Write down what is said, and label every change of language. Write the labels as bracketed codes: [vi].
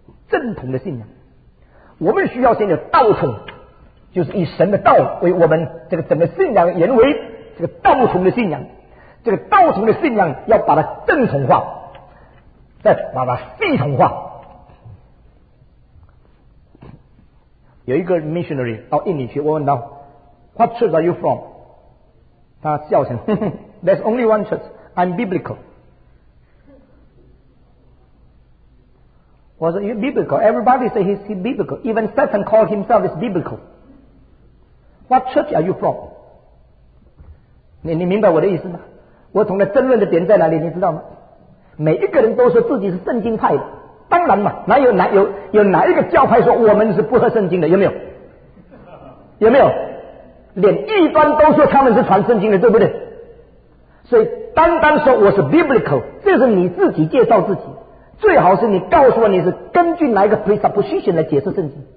[zh] 正统的信仰，我们需要先有道统，就是以神的道为我们这个整个信仰原为这个道统的信仰。这个道统的信仰要把它正统化，再把它系统化。有一个 missionary 到印尼去，我问他 [en] What church are you from？ [zh] 他笑成 [en] There's only one church， I'm biblical。 [zh] 我说 [en] You're biblical， everybody say he's biblical， even Satan call himself is biblical， what church are you from？ [zh] 你明白我的意思吗？我同他争论的点在哪里你知道吗？每一个人都说自己是圣经派的，当然嘛，哪有哪一个教派说我们是不合圣经的？有没有？有没有？连异端都说他们是传圣经的，对不对？所以单单说我是 biblical， 这是你自己介绍自己，最好是你告诉我你是根据哪一个 presupposition 来解释圣经。